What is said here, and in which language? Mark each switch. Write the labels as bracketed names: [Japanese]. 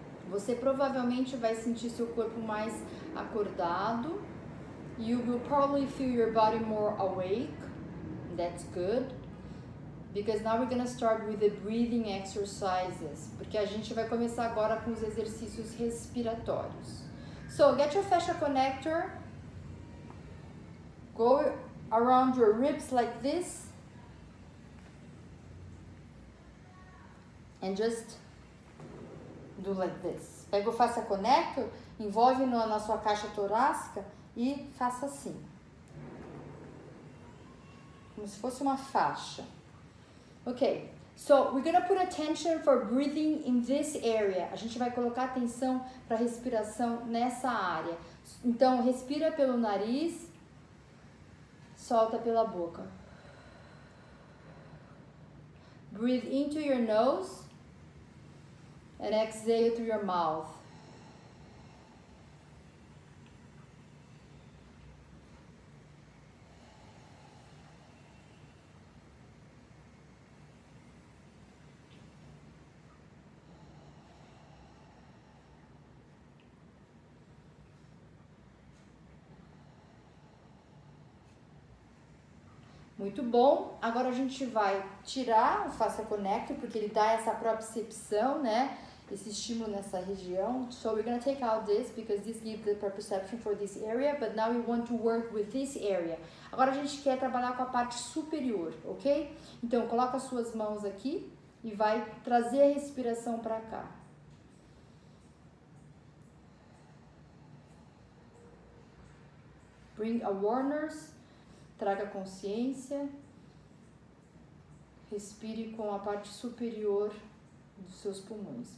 [Portuguese] Você provavelmente vai sentir seu corpo mais acordado. [English] You will probably feel your body more awake. That's good. Because now we're gonna start with the breathing exercises. [Portuguese] Porque a gente vai começar agora com os exercícios respiratórios. [English] So, get your fascia connector. Go around your ribs like this. And just do like this. [Portuguese] Pega o fascia connector, envolve na sua caixa torácica e faça assim. como se fosse uma faixa. Okay. [English] So, we're going to put attention for breathing in this area. [Portuguese] A gente vai colocar atenção para respiração nessa área. Então, respira pelo nariz, solta pela boca. [English] Breathe into your nose and exhale through your mouth. [Portuguese] Muito bom, agora a gente vai tirar o fascia connector, porque ele dá essa propriocepção, né? Esse estímulo nessa região. [English] So we're going to take out this, because this gives the proprioception for this area, but now we want to work with this area. [Portuguese] Agora a gente quer trabalhar com a parte superior, ok? Então, coloca as suas mãos aqui e vai trazer a respiração para cá. [English] Bring awareness. [Portuguese] Traga consciência, respire com a parte superior dos seus pulmões.